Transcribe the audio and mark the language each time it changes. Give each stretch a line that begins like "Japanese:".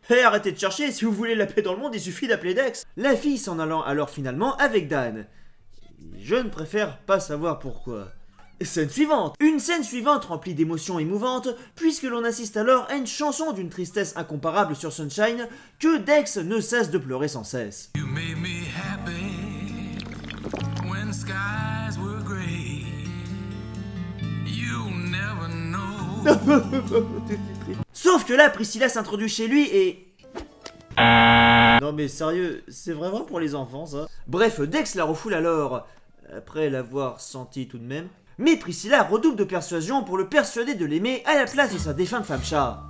French: Hé, hey, arrêtez de chercher, si vous voulez la paix dans le monde, il suffit d'appeler Dex. La fille s'en allant alors finalement avec Dan. Je ne préfère pas savoir pourquoi. Scène suivante. Une scène suivante remplie d'émotions émouvantes, puisque l'on assiste alors à une chanson d'une tristesse incomparable sur Sunshine, que Dex ne cesse de pleurer sans cesse.
English: You made me happy when skies were gray. You never know.
French: Sauf que là, Priscilla s'introduit chez lui et... Non mais sérieux, c'est vraiment pour les enfants ça? Bref, Dex la refoule alors, après l'avoir senti tout de même. Mais Priscilla redouble de persuasion pour le persuader de l'aimer à la place de sa défunte femme chat.